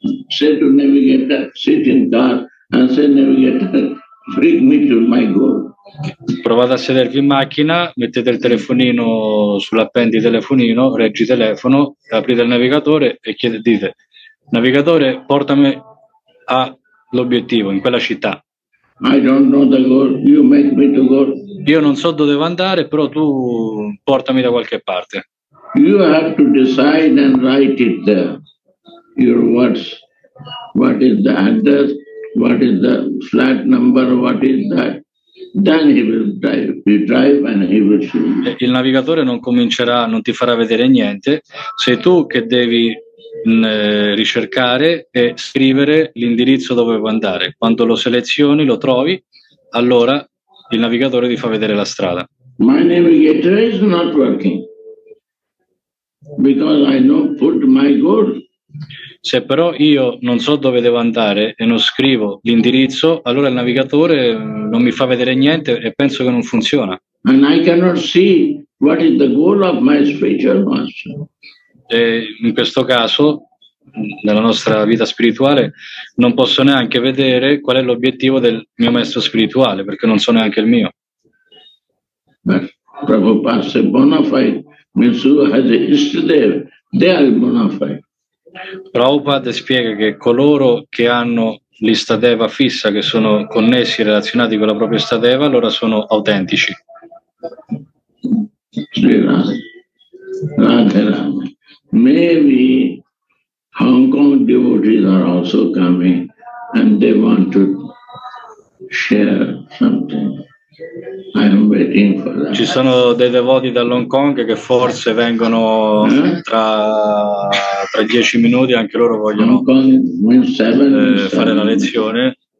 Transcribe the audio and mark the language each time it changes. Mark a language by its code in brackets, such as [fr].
[en] Say to navigator, sit in dark and say navigator. Bring me to my goal. [it] Provate a sedervi in macchina, mettete il telefonino sull'appendi telefonino, reggi telefono, aprite il navigatore e dite: navigatore, portami all'obiettivo in quella città. [en] I don't know the goal. You make me to go. [it] Io non so dove andare, però tu portami da qualche parte. [en] You have to decide and write it there. Your words. What is the address? What is the flat number? What is that? Then he will drive. He drive and he will see. [it] Il navigatore non comincerà, non ti farà vedere niente. Sei tu che devi ricercare e scrivere l'indirizzo dove vuoi andare. Quando lo selezioni, lo trovi, allora il navigatore ti fa vedere la strada. [en] My navigator is not working because I don't put my goal. [it] Se però io non so dove devo andare e non scrivo l'indirizzo, allora il navigatore non mi fa vedere niente e penso che non funziona. [en] And I cannot see what is the goal of my spiritual master. [it] E in questo caso, nella nostra vita spirituale, non posso neanche vedere qual è l'obiettivo del mio maestro spirituale, perché non so neanche il mio. [en] Prabhupada bona fide, they are bona fide. [it] Prabhupada spiega che coloro che hanno l'istadeva fissa, che sono connessi e relazionati con la propria istadeva, allora sono autentici. [en] Sri Radha, Radha Rama. Maybe Hong Kong devotees are also coming and they want to share something. I am waiting for that. [it] Ci sono dei devoti dall'Hong Kong che forse vengono tra 10 minuti, anche loro vogliono fare la lezione.